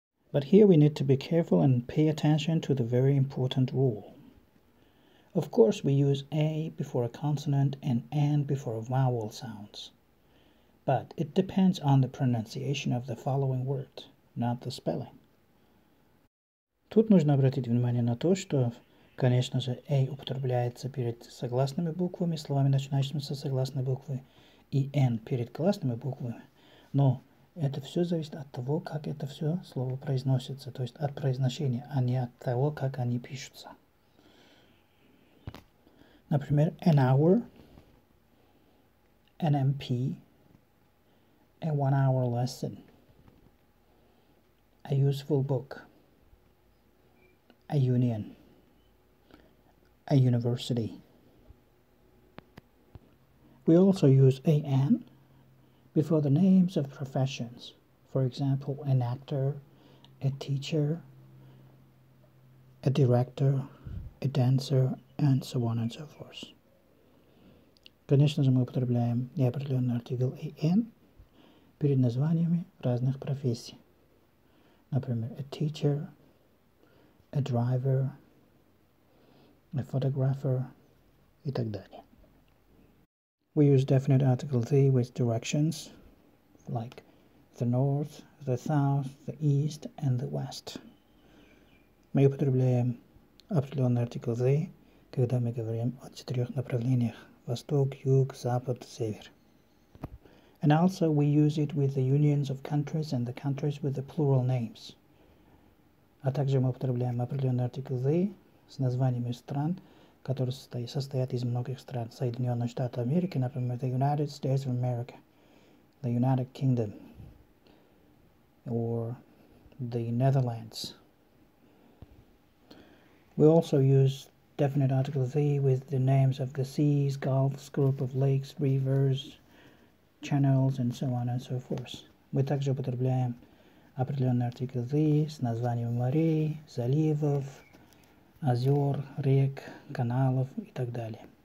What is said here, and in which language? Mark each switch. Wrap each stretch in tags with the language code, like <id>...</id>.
<en>But here we need to be careful and pay attention to the very important rule. Of course, we use a before a consonant and an before vowel sounds. But it depends on the pronunciation of the following word, not the spelling.</en> <ru>Тут нужно обратить внимание на то, что, конечно же, a употребляется перед согласными буквами, словами, начинающимися с согласной буквы, и n перед гласными буквами. Но это все зависит от того, как это все слово произносится, то есть от произношения, а не от того, как они пишутся. Например,</ru> <en>an hour, an MP, a one-hour lesson, a useful book, a union, a university. We also use an before the names of professions, for example, an actor, a teacher, a director, a dancer, and so on and so forth.</en> <ru>Конечно же, мы употребляем неопределенный артикль an перед названиями разных профессий. Например,</ru> <en>a teacher, a driver, a photographer,</en> <ru>и так далее.</ru> <en>We use definite article the with directions like the north, the south, the east, and the west.</en> <ru>Мы употребляем определенный артикль the, когда мы говорим о четырех направлениях: восток, юг, запад, север.</ru> <en>And also we use it with the unions of countries and the countries with the plural names.</en> <ru>А также мы употребляем определенный артикль the с названиями стран, которые состоят из многих стран. Соединенные Штаты Америки, например,</ru> <en>the United States of America, the United Kingdom, or the Netherlands. We also use definite article the with the names of the seas, gulfs, group of lakes, rivers, channels, and so on and so forth.</en> <ru>Мы также употребляем определенный артикль the с названием морей, заливов, озер, рек, каналов и так далее.</ru>